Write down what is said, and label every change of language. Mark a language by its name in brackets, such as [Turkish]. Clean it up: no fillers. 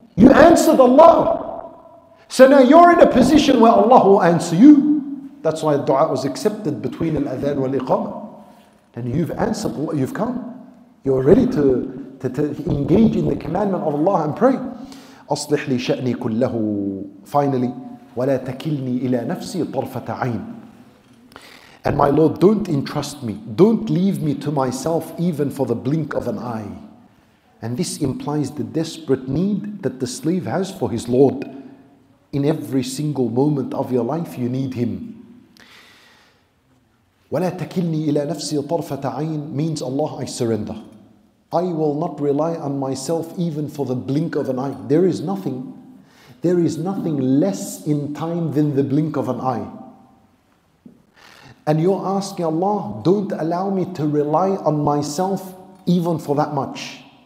[English] You answered Allah. So now you're in a position where Allah will answer you. That's why dua was accepted between al-adhan wal-iqama. And you've answered, you've come. You're ready to engage in the commandment of Allah and pray. [Arabic] أصلح لي شأني كله. [English] Finally, [Arabic] ولا تكلني إلى نفسي طرفة عين. [English] And my Lord, don't entrust me. Don't leave me to myself even for the blink of an eye. And this implies the desperate need that the slave has for his Lord. In every single moment of your life, you need Him. [Arabic] وَلَا تَكِلْنِي إِلَىٰ نَفْسِي طَرْفَةَ عَيْنٍ [English] means Allah, I surrender. I will not rely on myself even for the blink of an eye. There is nothing less in time than the blink of an eye. And you're asking Allah, don't allow me to rely on myself even for that much.